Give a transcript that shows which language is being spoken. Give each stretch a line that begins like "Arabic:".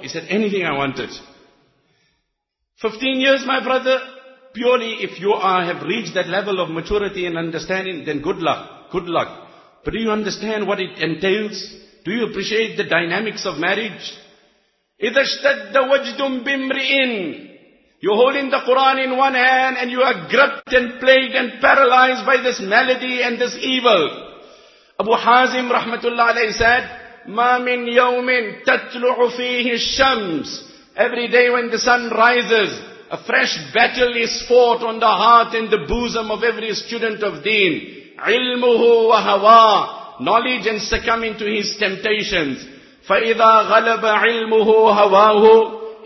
English: He said, anything I wanted. 15 years, my brother, purely if you have reached that level of maturity and understanding, then good luck, good luck. But do you understand what it entails? Do you appreciate the dynamics of marriage?
Arabic: إِذَا اشْتَدَّ وَجْدٌ بِمْرِئٍ.
English: You're holding the Quran in one hand and you are gripped and plagued and paralyzed by this malady and this evil.
Arabic: Abu Hazim rahmatullah alayhi
English: said,
Arabic: مَا مِنْ يَوْمٍ تَتْلُعُ فِيهِ الشَّمْسِ.
English: Every day when the sun rises, a fresh battle is fought on the heart and the bosom of every student of deen.
Arabic: عِلْمُهُ وَهَوَى.
English: Knowledge and succumbing to his temptations.
Arabic: فَإِذَا غَلَبَ عِلْمُهُ هَوَاهُ.